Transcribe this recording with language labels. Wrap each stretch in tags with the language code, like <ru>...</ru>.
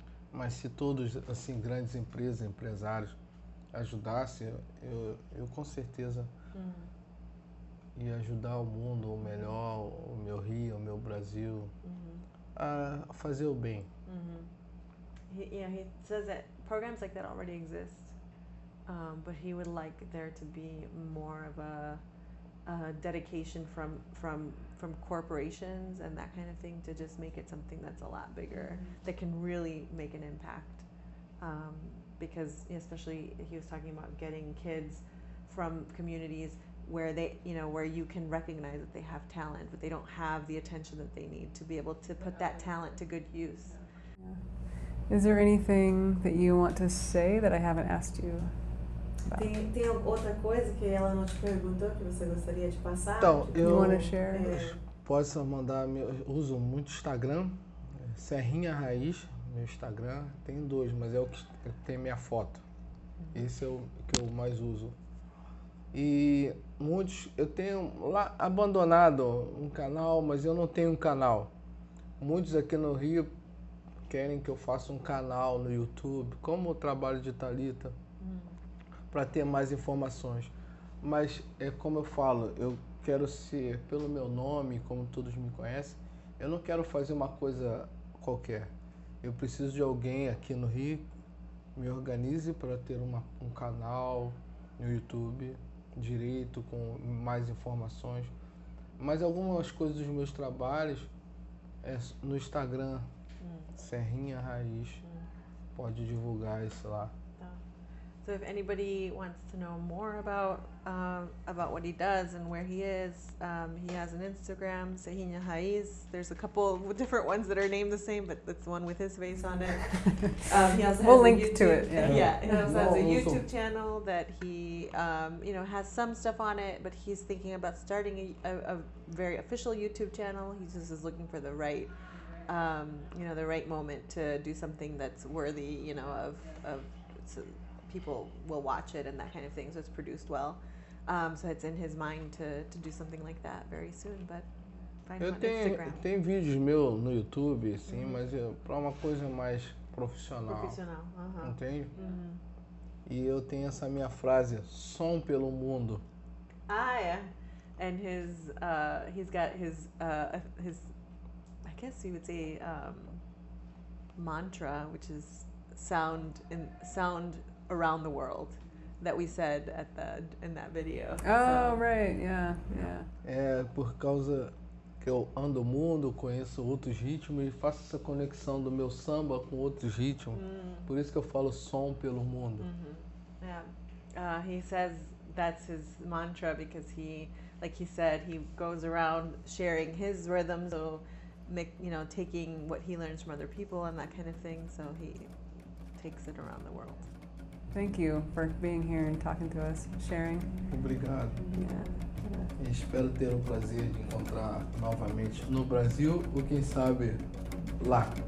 <pt>Mas se todos, assim, grandes empresas, empresários, ajudassem, eu com certeza... E ajudar o mundo, o melhor, o meu Rio, o meu Brasil, a fazer o bem.</pt> <en>He says that programs like that already exist, but he would like there to be more of a dedication from corporations and that kind of thing, to just make it something that's a lot bigger, that can really make an impact. Because especially he was talking about getting kids from communities where they, you know, where you can recognize that they have talent, but they don't have the attention that they need to be able to put that talent to good use. Is there anything that you want to say that I haven't asked you about?</en> <pt>Tem outra coisa que ela não te perguntou que você gostaria de passar? Então,</pt> <en>you want to share?</en> <pt>Posso mandar, eu uso muito Instagram, Serrinha Raiz, meu Instagram. Tem dois, mas é o que tem minha foto. Esse é o que eu mais uso. E muitos, eu tenho lá abandonado um canal, mas eu não tenho um canal. Muitos aqui no Rio querem que eu faça um canal no YouTube, como o trabalho de Thalita, para ter mais informações. Mas é como eu falo, eu quero ser, pelo meu nome, como todos me conhecem, eu não quero fazer uma coisa qualquer. Eu preciso de alguém aqui no Rio me organize para ter um canal no YouTube direito, com mais informações. Mas algumas coisas dos meus trabalhos é no Instagram, Serrinha Raiz. Pode divulgar isso lá.</pt> <en>So if anybody wants to know more about what he does and where he is, he has an Instagram, Serrinha Raiz. There's a couple of different ones that are named the same, but that's the one with his face on it. He also has a YouTube channel that he, you know, has some stuff on it, but he's thinking about starting a very official YouTube channel. He just is looking for the right, you know, the right moment to do something that's worthy, you know, of people will watch it and that kind of thing, so it's produced well. So it's in his mind to do something like that very soon, but find</en> <pt>eu</pt> <en>him on Instagram.</en> <pt>Tem vídeos meu no YouTube, sim, mm-hmm. mas para uma coisa mais profissional. Profissional, uh-huh. Entende? Mm-hmm. E eu tenho essa minha frase, som pelo mundo. Ah, é.</pt> <en>And his, he's got his, I guess you would say, mantra, which is sound around the world, that we said at the in that video. Oh, so. Right, yeah.</en> <pt>É por causa que eu ando o mundo, conheço outros ritmos e faço essa conexão do meu samba com outros ritmos. Mm. Por isso que eu falo som pelo mundo. Mm-hmm.</pt> <en>Yeah, he says that's his mantra because he. Like he said, he goes around sharing his rhythm, so make, you know, taking what he learns from other people and that kind of thing, so he takes it around the world. Thank you for being here and talking to us, sharing.</en> <pt>Obrigado.</pt> <en>Yeah. Yeah.</en> <pt>Espero ter o prazer de encontrar novamente no Brasil, ou quem sabe, lá.</pt>